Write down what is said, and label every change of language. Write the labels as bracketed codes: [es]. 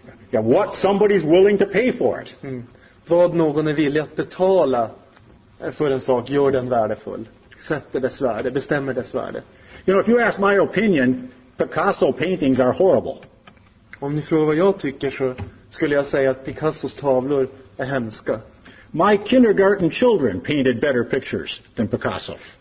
[en] Yeah, what somebody's willing to pay for it. Mm. [sv] Vad någon är villig att betala för en sak gör den värdefull. Sätter dess värde, bestämmer dess värde. [en] You know, if you ask my opinion, Picasso paintings are horrible. [sv] Om ni frågar vad jag tycker så skulle jag säga att Picassos tavlor är hemska. [en] My kindergarten children painted better pictures than Picasso.